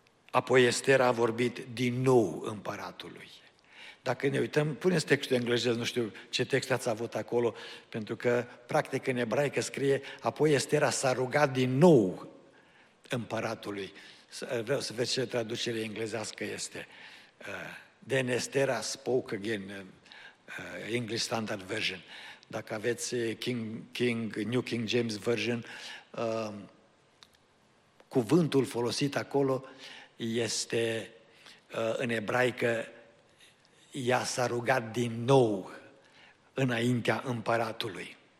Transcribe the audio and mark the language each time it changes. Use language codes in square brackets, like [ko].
[ro] Apoi Estera a vorbit din nou împăratului. Dacă ne uităm, puneți textul englezesc, nu știu ce text ați avut acolo, pentru că practic în ebraică scrie: apoi Estera s-a rugat din nou împăratului. Vreau să vezi ce traducere englezească este. [en] Then Estera spoke again, English Standard Version. [ro] Dacă aveți New King James Version, cuvântul folosit acolo este, în ebraică, ea s-a rugat din nou înaintea împăratului.